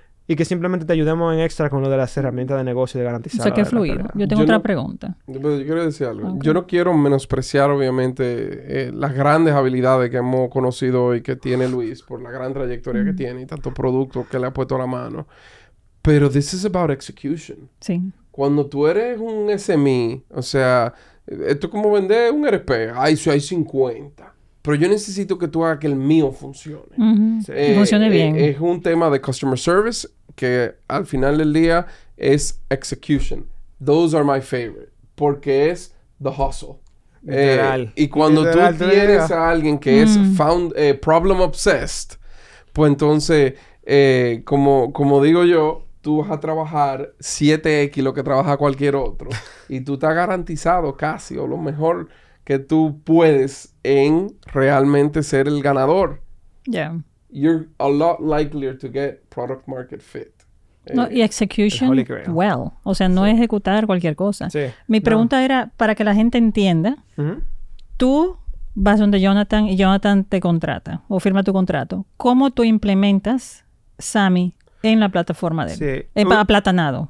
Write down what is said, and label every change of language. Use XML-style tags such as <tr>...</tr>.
<es>Y que simplemente te ayudemos en extra con lo de las herramientas de negocio y de garantizar. O sea, que es fluido. Yo tengo otra pregunta. Yo quiero decir algo. Okay. Yo no quiero menospreciar, obviamente, las grandes habilidades que hemos conocido y que tiene Luis por la gran trayectoria que tiene y tanto producto que le ha puesto a la mano.</es> <en>Pero this is about execution.</en> <es>Sí. Cuando tú eres un SME, o sea, esto es como vender un RP. Ay, si hay 50. Pero yo necesito que tú hagas que el mío funcione. Funcione bien. Es un tema de customer service que al final del día es execution.</es> <en>Those are my favorite.</en> <es>Porque es</es> <en>the hustle.</en> <es>Literal. Y cuando tú tienes a alguien que es</es> <en>problem obsessed,</en> <es>pues entonces, como digo yo, tú vas a trabajar 7x lo que trabaja cualquier otro. Y tú estás garantizado casi, o lo mejor que tú puedes en realmente ser el ganador.</es> <en>You're a lot likelier to get product market fit. Y execution well.</en> <es>O sea, no ejecutar cualquier cosa. Sí. Mi pregunta era, para que la gente entienda, tú vas donde Jonathan y Jonathan te contrata o firma tu contrato. ¿Cómo tú implementas Sami en la plataforma de él? Sí. Aplatanado.</es>